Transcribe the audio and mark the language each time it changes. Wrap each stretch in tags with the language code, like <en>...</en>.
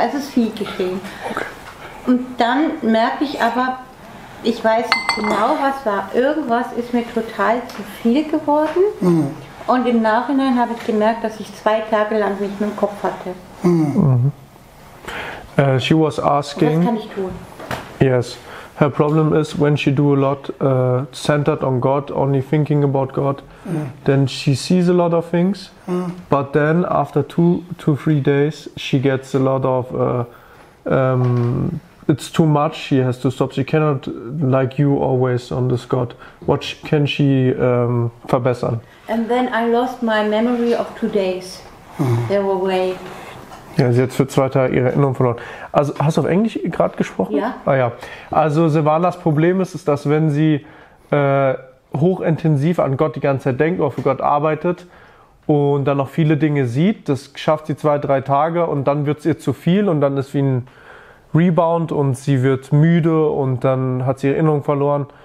<de>Also es ist viel geschehen. Okay. Und dann merke ich aber, ich weiß nicht genau, was war. Irgendwas ist mir total zu viel geworden. Und im Nachhinein habe ich gemerkt, dass ich 2 Tage lang nicht mehr im Kopf hatte.</de> <en>She was asking.</en> <de>Was kann ich tun?</de> <en>Yes. Her problem is when she do a lot centered on God, only thinking about God, then she sees a lot of things. But then after 2-3 days, she gets a lot of it's too much. She has to stop. She cannot like you always on this God. What can she verbessern? And then I lost my memory of 2 days. They were away.</en> <de>Ja, sie hat für 2 Tage ihre Erinnerung verloren. Also, hast du auf Englisch gerade gesprochen? Ja. Ah ja. Also, Silvanas Problem ist, dass wenn sie hochintensiv an Gott die ganze Zeit denkt oder für Gott arbeitet und dann noch viele Dinge sieht, das schafft sie 2-3 Tage und dann wird es ihr zu viel und dann ist wie ein Rebound und sie wird müde und dann hat sie ihre Erinnerung verloren.</de>